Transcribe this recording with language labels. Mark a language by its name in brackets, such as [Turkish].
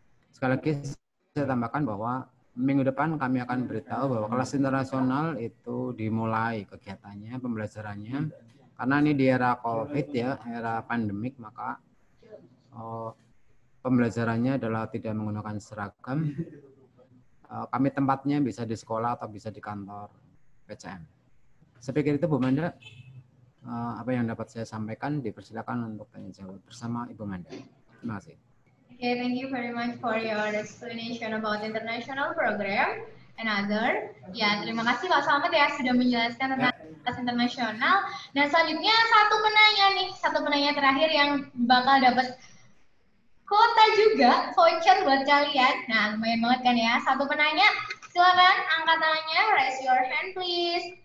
[Indonesian] Sekali lagi saya tambahkan bahwa minggu depan kami akan beritahu bahwa kelas internasional itu dimulai kegiatannya, pembelajarannya, karena ini di era COVID ya, era pandemik, maka pembelajarannya adalah tidak menggunakan seragam. Kami tempatnya bisa di sekolah atau bisa di kantor PCM. Saya pikir itu Bu Manda, apa yang dapat saya sampaikan, dipersilakan untuk tanya jawab bersama Ibu Manda. Terima kasih. [English] Okay, thank you very much for your explanation about international program and other. [Indonesian] Ya, terima kasih Pak Selamat ya sudah menjelaskan tentang kelas internasional. Nah, selanjutnya satu penanya terakhir yang bakal dapat kuota juga voucher buat kalian. Nah, lumayan banget kan ya. Satu penanya, silakan angkat tangannya, [English] raise your hand please.